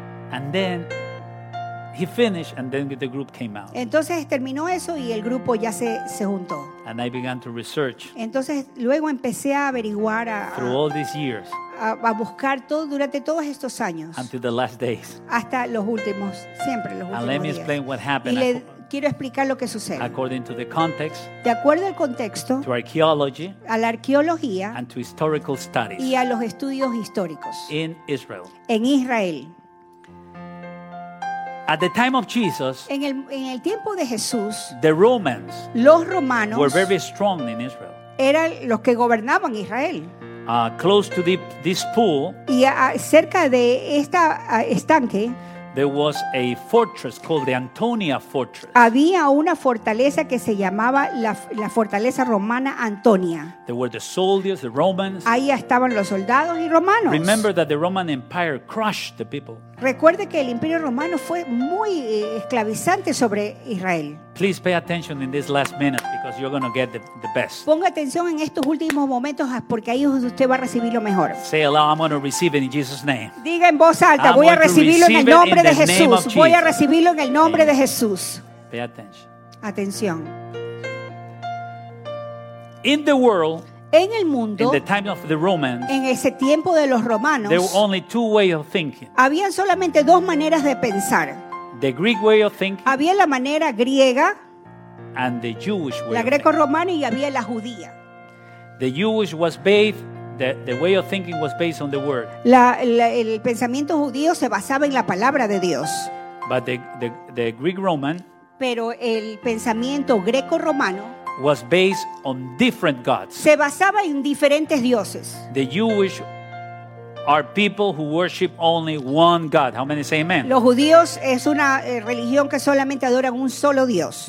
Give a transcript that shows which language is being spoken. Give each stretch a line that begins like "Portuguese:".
English: And then he finished, and then the group came out.
Spanish: Entonces terminó eso y el grupo ya se juntó.
English: And I began to research.
Spanish: Entonces luego empecé a averiguar
English: through all these years.
Spanish: A buscar todo durante todos estos años.
English: Until the last days.
Spanish: Hasta los últimos, siempre los últimos.
English: And let me
Spanish: días.
English: Explain what happened.
Spanish: Quiero explicar lo que sucede.
English: According to the context,
Spanish: de acuerdo al contexto,
English: to archaeology,
Spanish: a la arqueología
English: and to historical studies,
Spanish: y a los estudios históricos
English: in Israel.
Spanish: En Israel.
English: At the time of Jesus,
Spanish: en el tiempo de Jesús,
English: the Romans,
Spanish: los romanos,
English: were very strong in Israel.
Spanish: Eran los que gobernaban Israel.
English: Close to this pool,
Spanish: y cerca de esta estanque,
English: there was a fortress called the Antonia Fortress.
Spanish: Había una fortaleza que se llamaba la fortaleza romana Antonia.
English: There were the soldiers, the Romans.
Spanish: Ahí estaban los soldados y romanos.
English: Remember that the Roman Empire crushed the people.
Spanish: Recuerde que el Imperio Romano fue muy esclavizante sobre Israel.
English: Please pay attention in this last minute because you're going to get the best.
Spanish: Ponga atención en estos últimos momentos porque ahí usted va a recibir lo mejor.
English: Say aloud, I'm going to receive it in Jesus' name.
Spanish: Diga en voz alta, voy a recibirlo en el nombre de Jesús. Voy a recibirlo en el nombre de Jesús.
English: Pay attention.
Spanish: Atención.
English: In the world,
Spanish: en el mundo,
English: in the time of the Romans,
Spanish: en ese tiempo de los romanos,
English: there were only two ways of thinking.
Spanish: Había solamente dos maneras de pensar.
English: The Greek way of thinking,
Spanish: había la manera griega,
English: and the Jewish way,
Spanish: la greco-romana, y había la judía.
English: The Jewish was based, the way of thinking was based on the word.
Spanish: El pensamiento judío se basaba en la palabra de Dios.
English: But the Greek Roman,
Spanish: pero el pensamiento greco-romano,
English: was based on different gods.
Spanish: Se basaba en diferentes dioses.
English: The Jewish are people who worship only one God. How many say amen?
Spanish: Los judíos es una religión que solamente adoran un solo Dios.